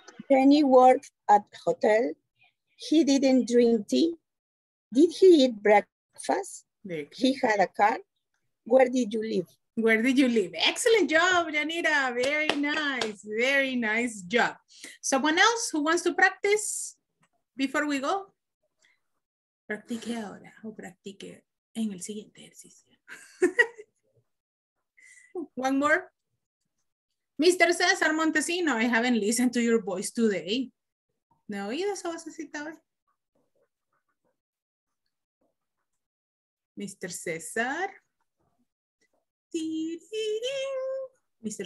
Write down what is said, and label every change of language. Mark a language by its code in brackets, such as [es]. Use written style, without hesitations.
[en] Jenny worked at hotel. He didn't drink tea. Did he eat breakfast? He had a car. Where did you live? Where did you live? Excellent job, Janita. Very nice. Very nice job. Someone else who wants to practice before we go? [es] Practique ahora o practique en el siguiente ejercicio. [en] One more. Mr. Cesar Montesino, I haven't listened to your voice today. [es] ¿No he oído esa vocecita hoy? [en] Mr. César. Mr.